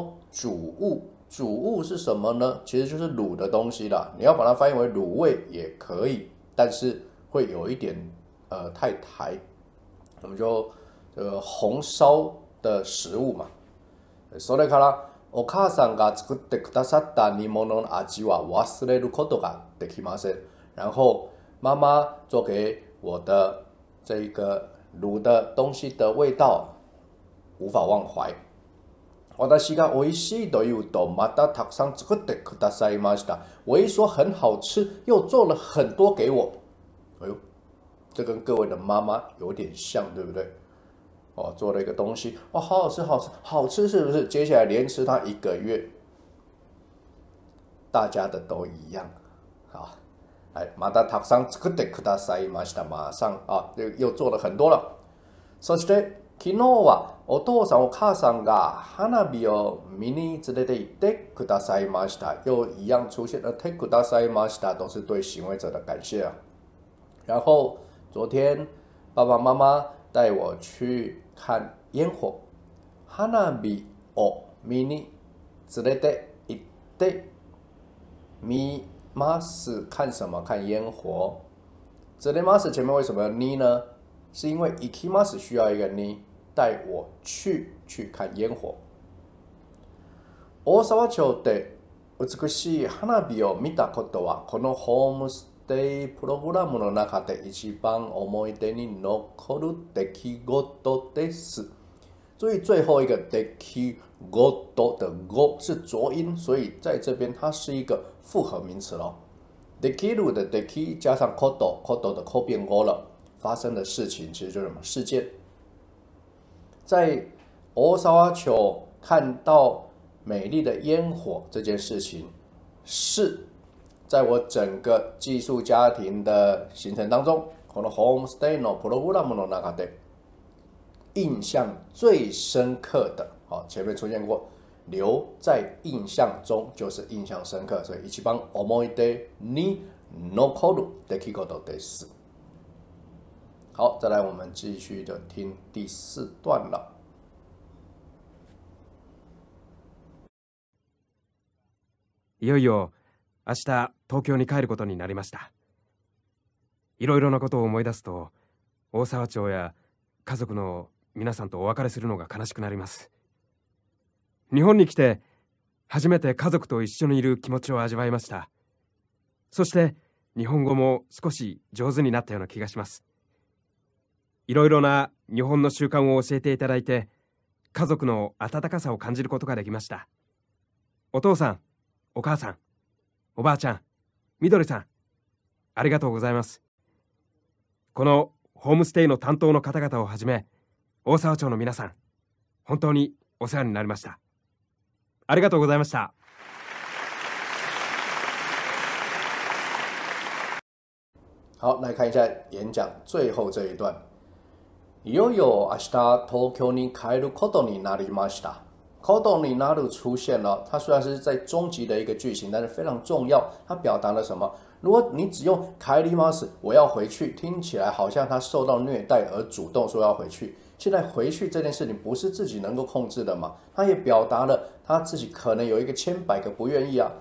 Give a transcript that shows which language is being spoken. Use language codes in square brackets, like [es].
[zh] 煮物，煮物是什么呢？其实就是卤的东西啦。你要把它翻译为卤味也可以，但是会有一点太台，我们就红烧的食物嘛。 [ja] 所以から、お母さんが作ってくださった煮物の味は忘れることができません。 [zh] 然后，妈妈做给我的这个卤的东西的味道无法忘怀。 [ja] 私が美味しいというと、またたくさん作ってくださいました。 [zh] 我一说很好吃，又做了很多给我。哎呦，这跟各位的妈妈有点像，对不对？哦，做了一个东西，哦，好好吃，好吃，好吃，是不是？接下来连吃它一个月，大家的都一样，好。 [ja] 哎，またたくさん作ってくださいました。 [zh] 马上啊，又做了很多了。 [ja] そして、昨日はお父さん、お母さんが花火を見に連れて行ってくださいました。 [zh] 又一样出现了，てくださいました，都是对行为者的感谢啊。然后昨天爸爸妈妈带我去看烟火， [ja] 花火を見に連れて行ってみます。 [zh] 看什么？看烟火。这里 mas 前面为什么要呢？是因为 ikimas 需要一个呢，带我去看烟火。 [ja] 大沢町で美しい花火を見たことは、このホームステイプログラムの中で一番思い出に残る出来事です。 [zh] 注意最后一个出来事的事是浊音，所以在这边它是一个复合名词咯。出来事的出来加上事的事变过了，发生的事情其实就是什么事件。在大沢丘看到美丽的烟火这件事情，是在我整个寄宿家庭的行程当中， [ja] この homestay のプログラムの中で [zh] 印象最深刻的。好，前面出现过，留在印象中就是印象深刻，所以 [ja] 一番思い出に残る出来事です。 [zh] 好，再来我们继续的听第四段了。 [ja] いよいよ明日東京に帰ることになりました。いろいろなことを思い出すと、大沢町や家族の皆さんとお別れするのが悲しくなります。日本に来て初めて家族と一緒にいる気持ちを味わいました。そして日本語も少し上手になったような気がします。いろいろな日本の習慣を教えていただいて、家族の温かさを感じることができました。お父さん、お母さん、おばあちゃん、みどりさん、ありがとうございます。このホームステイの担当の方々をはじめ、大沢町の皆さん、本当にお世話になりました。ありがとうございました。 [zh] 好，来看一下演讲最后这一段。 [ja] いよいよ明日東京に帰ることになりました。 [zh] Kodo ni naru 出现了，它虽然是在终极的一个句型，但是非常重要。它表达了什么？如果你只用 kaerimasu 我要回去，听起来好像他受到虐待而主动说要回去。现在回去这件事情不是自己能够控制的嘛？他也表达了他自己可能有一个千百个不愿意啊。